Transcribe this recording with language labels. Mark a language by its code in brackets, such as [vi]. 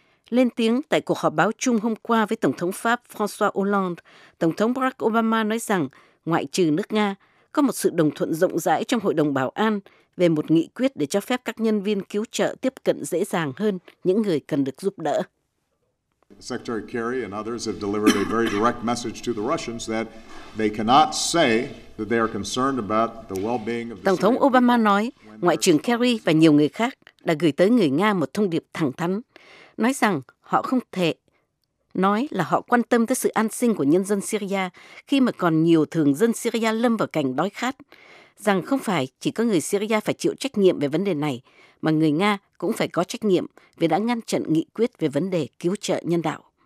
[vi] Lên tiếng tại cuộc họp báo chung hôm qua với Tổng thống Pháp François Hollande, Tổng thống Barack Obama nói rằng ngoại trừ nước Nga có một sự đồng thuận rộng rãi trong Hội đồng Bảo an về một nghị quyết để cho phép các nhân viên cứu trợ tiếp cận dễ dàng hơn những người cần được giúp đỡ. [en] Secretary Kerry and others have delivered a very direct message to the Russians that they cannot say that they are concerned about the well-being of the [vi] Tổng thống Obama nói, Ngoại trưởng Kerry và nhiều người khác đã gửi tới người Nga một thông điệp thẳng thắn, nói rằng họ không thể nói là họ quan tâm tới sự an sinh của nhân dân Syria khi mà còn nhiều thường dân Syria lâm vào cảnh đói khát, rằng không phải chỉ có người Syria phải chịu trách nhiệm về vấn đề này, mà người Nga cũng phải có trách nhiệm vì đã ngăn chặn nghị quyết về vấn đề cứu trợ nhân đạo.